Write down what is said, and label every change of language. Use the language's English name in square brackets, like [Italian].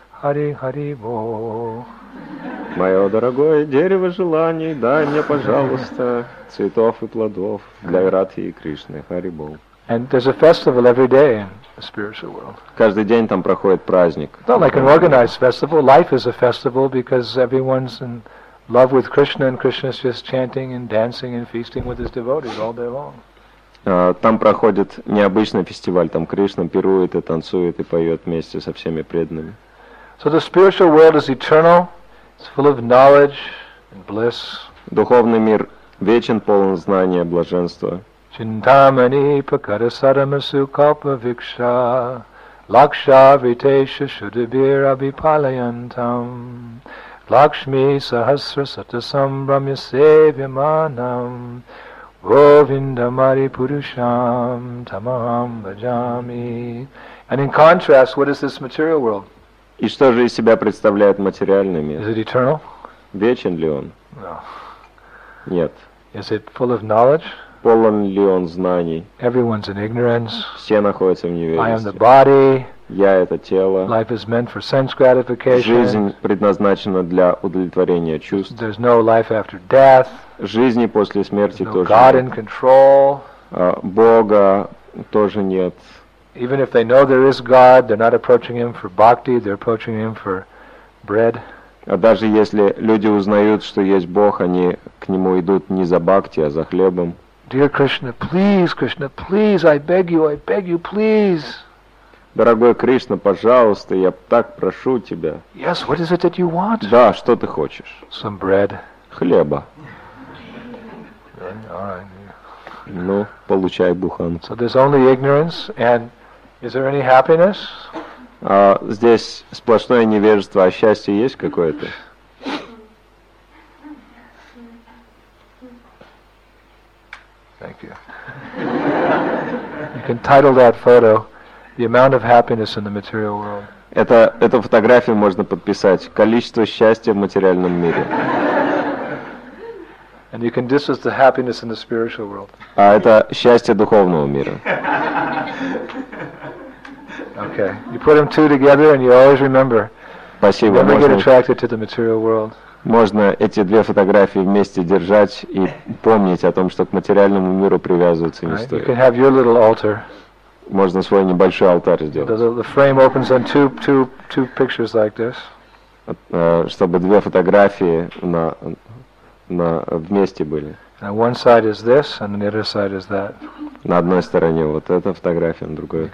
[Russian] Hari Hari Bo. Мое дорогое дерево желаний, дай мне, пожалуйста, цветов и плодов для Радхи и Кришны. Hari Bo. [English] And there's a festival every day in the spiritual world. [Russian] Каждый день там проходит праздник. [English] Not like an organized festival. Life is a festival because everyone's in love with Krishna, and Krishna is just chanting and dancing and feasting with his devotees all day long. [Russian] Там проходит необычный фестиваль. Там Кришна пирует и танцует и поет вместе со всеми преданными. [English] So the spiritual world is eternal. It's full of knowledge and bliss. [Russian] Духовный мир вечен, полон знания, блаженства. [Sanskrit] Chintamani pakara saramasu kalpa viksha laksha vitesha shudabir abhipalayantam Lakshmi sahasra satasam brahmyasevyamanam govindamari purusham tamaham bhajami. [English] And in contrast, what is this material world? [Russian] И что же из себя представляет материальный мир? [English] Is it eternal? [Russian] Вечен ли он? [English] No. [Russian] Нет. [English] Is it full of knowledge? [Russian] Полон ли он знаний? [English] Everyone's in ignorance. [Russian] Все находятся в неведении. [English] I am the body. [Russian] Я это тело. [English] Life is meant for sense gratification. [Russian] Жизнь предназначена для удовлетворения чувств. [English] There's no life after death. [Russian] Жизни после смерти [English] There's [Russian] тоже [English] no God [Russian] нет. [English] In control. [Russian] Бога тоже нет. [English] Even if they know there is God, they're not approaching Him for bhakti, they're approaching Him for bread. [Russian] А даже если люди узнают, что есть Бог, они к Нему идут не за бхакти, а за хлебом. [English] Dear Krishna, please, I beg you, please. [Russian] Дорогой Кришна, пожалуйста, я так прошу тебя. [English] Yes, what is it that you want? [Russian] Да, что ты хочешь? [English] Some bread. [Russian] Хлеба. [English] All right. [Russian] Ну, получай буханку. [English] So there's only ignorance, and is there any happiness? [Russian] Здесь сплошное невежество, а счастье есть какое-то? [English] Thank you. You can title that photo, "The Amount of Happiness in the Material World." [Russian] Эту фотографию можно подписать: количество счастья в материальном мире. [English] And you can this is the happiness in the spiritual world. [Russian] А это счастье духовного мира. [English] Okay. You put them two together, and you always remember. [Russian] Спасибо. [English] You never get attracted to the material world. [Russian] Можно эти две фотографии вместе держать и помнить о том, что к материальному миру привязываться не стоит. [English] You can have your little altar. [Russian] Можно свой небольшой алтарь сделать. [English] The frame opens on two pictures like this. [Russian] Чтобы две фотографии на вместе были. [English] And one side is this, and the other side is that. [Russian] На одной стороне вот эта фотография, на другой.